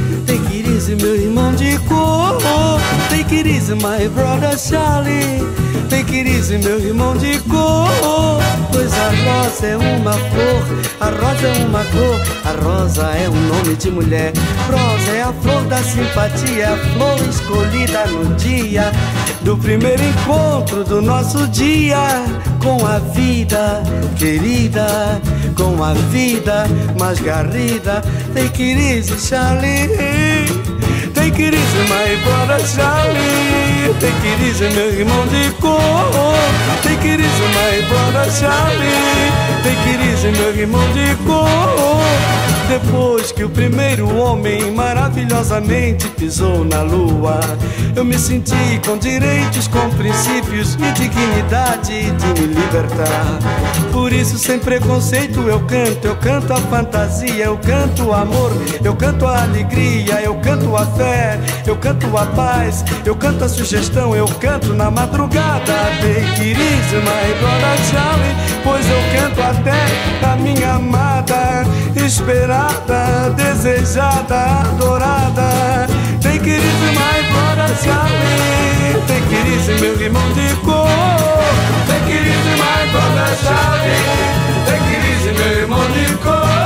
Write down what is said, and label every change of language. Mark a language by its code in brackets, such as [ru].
[en] Take it easy, [pt] meu irmão de cor. [en] Take it easy, my brother Charlie. Take it easy, [pt] meu irmão de cor. Pois a rosa é uma flor, a rosa é uma cor. A rosa é um nome de mulher. Rosa é a flor da simpatia, a flor escolhida no dia do primeiro encontro do nosso dia. Com a vida, querida, com a vida mais garrida. [en] Take it easy, Charlie. Take it easy, my brother Charlie. Take it easy, [pt] meu irmão de cor. [en] Take it easy, my brother Charlie. Take it easy, [pt] meu irmão de cor. Depois que o primeiro homem maravilhosamente pisou na lua, eu me senti com direitos, com princípios e dignidade de me libertar. Por isso, sem preconceito, eu canto a fantasia, eu canto o amor, eu canto a alegria, eu canto a fé, eu canto a paz, eu canto a sugestão, eu canto na madrugada. [en] Take it easy, my brother Charlie, [pt] pois eu canto até a minha amada, esperada, desejada, adorada. [en] Take it easy, my brother Charlie. Take it easy, [pt] meu irmão de cor. [en] Take it easy, my brother Charlie. Take it easy, [pt] meu irmão de cor.